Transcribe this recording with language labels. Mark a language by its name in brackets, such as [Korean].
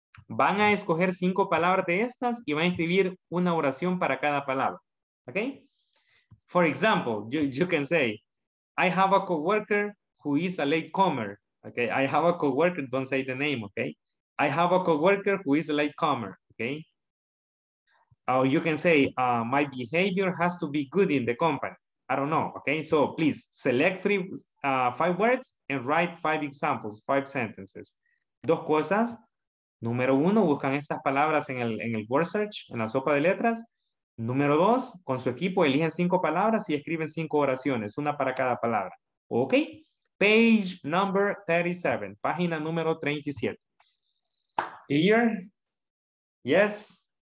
[Spanish] Van a escoger 5 palabras de estas y van a escribir una oración para cada palabra. [English] Okay? For example, you can say, I have a coworker who is a latecomer. Okay? I have a coworker, don't say the name, okay? I have a coworker who is a latecomer, okay? Or you can say, my behavior has to be good in the company. I don't know, okay? So please select 5 words and write 5 examples, 5 sentences. [Spanish] 2 cosas. Número 1, buscan estas palabras en el word search, en la sopa de letras. Número 2, con su equipo eligen 5 palabras y escriben 5 oraciones, una para cada palabra. [English] Ok, page number 37, [Spanish] página número 37. [English] Clear? Yes?